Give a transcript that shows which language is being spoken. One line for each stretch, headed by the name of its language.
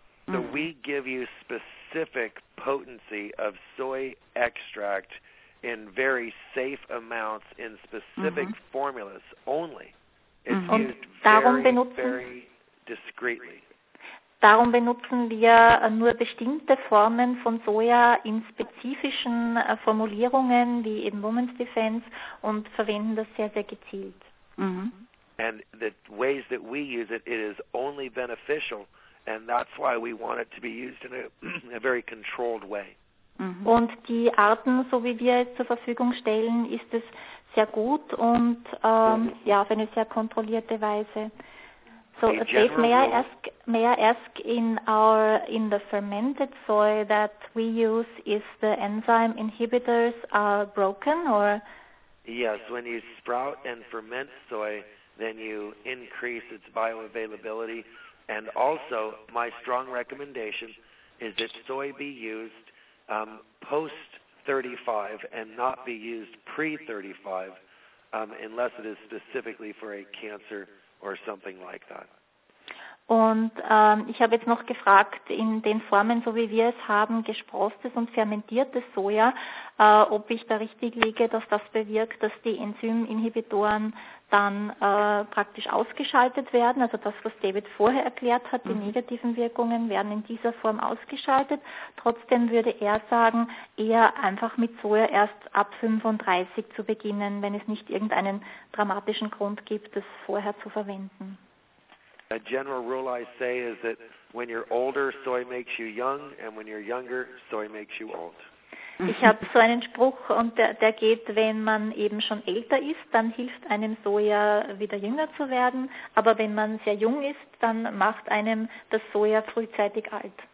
English: So we give you specific potency of soy extract in very safe amounts in specific formulas only. It's used very discreetly.
German: Darum benutzen wir nur bestimmte Formen von Soja in spezifischen Formulierungen, wie eben Women's Defense, und verwenden das sehr, sehr gezielt.
English: And the ways that we use it, it is only beneficial, and that's why we want it to be used in a very controlled way.
German: Und die Arten, so wie wir es zur Verfügung stellen, ist es sehr gut und ja, auf eine sehr kontrollierte Weise.
English: So, Dave, may I ask in the fermented soy that we use, is the enzyme inhibitors are broken or? Yes, when you sprout and ferment soy, then you increase its bioavailability. And also, my strong recommendation is that soy be used post 35 and not be used pre 35, unless it is specifically for a cancer or something like that.
German: Und ich habe jetzt noch gefragt, in den Formen, so wie wir es haben, gesprostes und fermentiertes Soja, ob ich da richtig liege, dass das bewirkt, dass die Enzyminhibitoren dann praktisch ausgeschaltet werden. Also das, was David vorher erklärt hat, die negativen Wirkungen werden in dieser Form ausgeschaltet. Trotzdem würde er sagen, eher einfach mit Soja erst ab 35 zu beginnen, wenn es nicht irgendeinen dramatischen Grund gibt, das vorher zu verwenden.
English: A general rule I say is that when you're older, soy makes you young, and when you're younger, soy makes you old.
German: Ich habe so einen Spruch, und der geht, wenn man eben schon älter ist, dann hilft einem Soja, wieder jünger zu werden, aber wenn man sehr jung ist, dann macht einem das Soja frühzeitig alt.